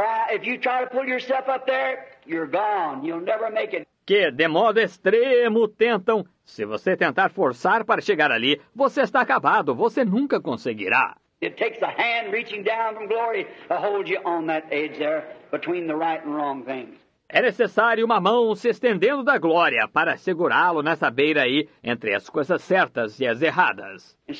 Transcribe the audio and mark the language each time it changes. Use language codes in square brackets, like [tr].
[en] If you try to pull yourself up there, you're gone. You'll never make it. [pt] Que, de modo extremo, tentam. Se você tentar forçar para chegar ali, você está acabado. Você nunca conseguirá. [en] It takes a hand reaching down from glory to hold you on that edge there, between the right and wrong things. [pt] É necessário uma mão se estendendo da glória para segurá-lo nessa beira aí, entre as coisas certas e as erradas.